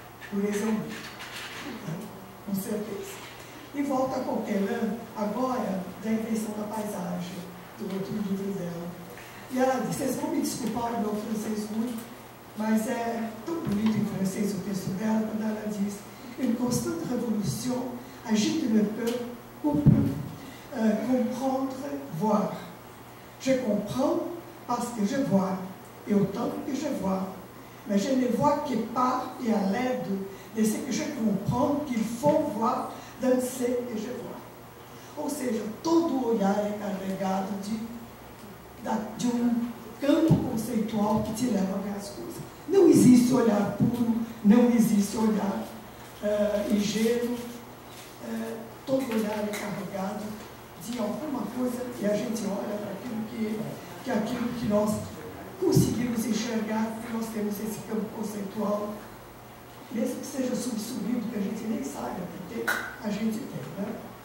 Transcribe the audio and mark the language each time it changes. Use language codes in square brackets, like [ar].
[pt] Por exemplo, com certeza. E volta a Coquelin, agora, da invenção da paisagem, do outro livro dela. E ela diz, vocês vão me desculpar o meu francês muito, mas é tão bonito em francês o texto dela, quando ela diz, [fr] une constante révolution agite le peuple pour comprendre, voir. Je comprends parce que je vois, et autant que je vois. Mais je ne vois que par et à l'aide de ce que je comprends qu'il faut voir dans ce que je vois. [pt] Ou seja, todo olhar é carregado de um campo conceitual que te leva a ver as coisas. Não existe olhar puro, não existe olhar ingênuo, todo olhar é carregado de alguma coisa e a gente olha para aquilo que nós conseguimos enxergar, que nós temos esse campo conceitual, mesmo que seja subsumido, que a gente nem saiba que tem, a gente tem, né?